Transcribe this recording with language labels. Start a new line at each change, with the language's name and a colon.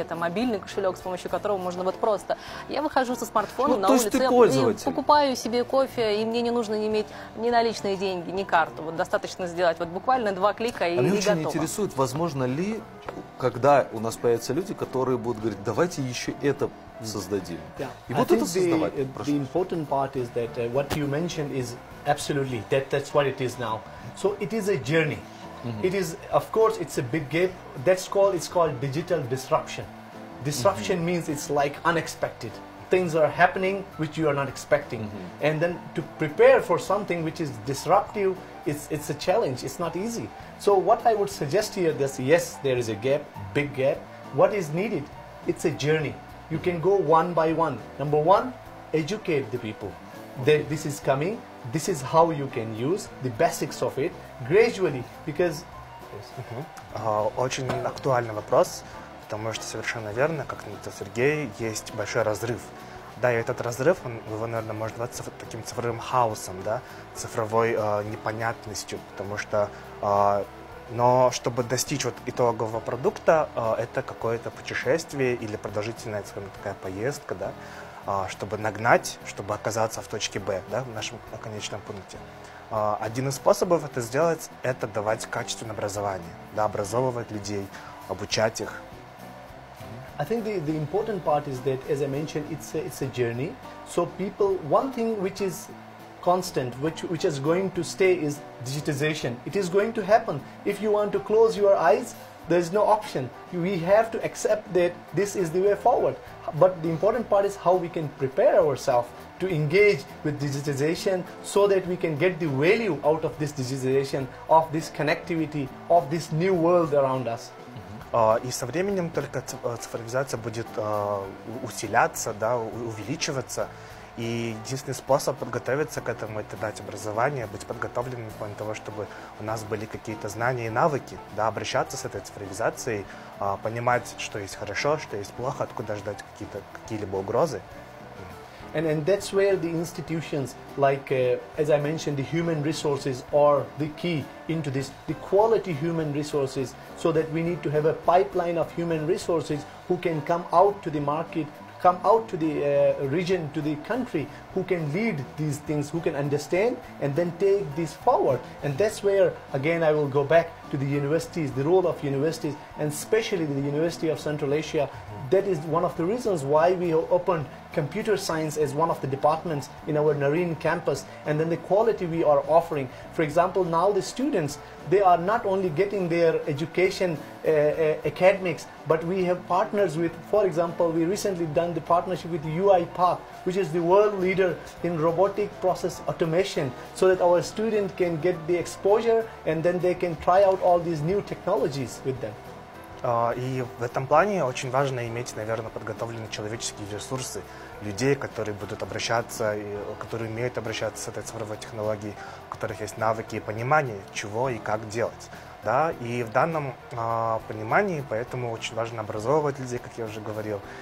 Russian: Это мобильный кошелек, с помощью которого можно вот просто... Я выхожу со смартфоном на улице, покупаю себе кофе, и мне не нужно иметь ни наличные деньги, ни карту. Вот достаточно сделать вот буквально два клика, и готово. Меня очень интересует, возможно ли, когда у нас появятся люди, которые будут говорить, давайте еще это... создадим.
English: Yeah.
Russian: И вот это создавать.
English: The important part is that what you mentioned is absolutely that's what it is now. So it is a journey. Mm-hmm. It is, of course, it's a big gap. It's called digital disruption. Disruption mm-hmm. means it's like unexpected. Things are happening which you are not expecting. Mm-hmm. And then to prepare for something which is disruptive, it's a challenge. It's not easy. So what I would suggest here is yes, there is a gap, big gap. What is needed? It's a journey. You can go one by one. Number one, educate the people. Okay. This is coming. This is how you can use the basics of it gradually. Because
Russian: очень актуальный вопрос, потому что совершенно верно, как сказал Сергей, есть большой разрыв. Да, и этот разрыв, его, наверное, можно назвать таким цифровым хаосом, да, цифровой непонятностью, потому что но чтобы достичь вот итогового продукта, это какое-то путешествие или продолжительная, скажем, такая поездка, да. чтобы нагнать, чтобы оказаться в точке Б, да, в нашем конечном пункте. Один из способов это сделать, это давать качественное образование, да, образовывать людей, обучать их.
English: I think the important part is that, as I mentioned, it's a journey. So people, one thing which is constant, which is going to stay, is digitization. It is going to happen. If you want to close your eyes, there is no option. We have to accept that this is the way forward. But the important part is how we can prepare ourselves to engage with digitization so that we can get the value out of this digitization, of this connectivity, of this new world around us.
Russian: И со временем только цифровизация будет усиливаться, да, увеличиваться. И единственный способ подготовиться к этому – это дать образование, быть подготовленным в плане того, чтобы у нас были какие-то знания и навыки, да, обращаться с этой цифровизацией, понимать, что есть хорошо, что есть плохо, откуда ждать какие-либо угрозы.
English: And that's where the institutions, like as I mentioned, the human resources are the key into this, the quality human resources, so that we need to have a pipeline of human resources who can come out to the market, come out to the region, to the country, who can lead these things, who can understand and then take this forward. And that's where, again, I will go back to the universities, the role of universities, and especially the University of Central Asia. That is one of the reasons why we have opened computer science as one of the departments in our Narin campus, and then the quality we are offering. For example, now the students, they are not only getting their education academics, but we have partners with, for example, we recently done the partnership with UiPath, which is the world leader in robotic process automation, so that our student can get the exposure and then they can try out all these new technologies with them.
Russian: И в этом плане очень важно иметь, наверное, подготовленные человеческие ресурсы, людей, которые будут обращаться, которые умеют обращаться с этой цифровой технологией, у которых есть навыки и понимание, чего и как делать. Да? И в данном понимании поэтому очень важно образовывать людей, как я уже говорил.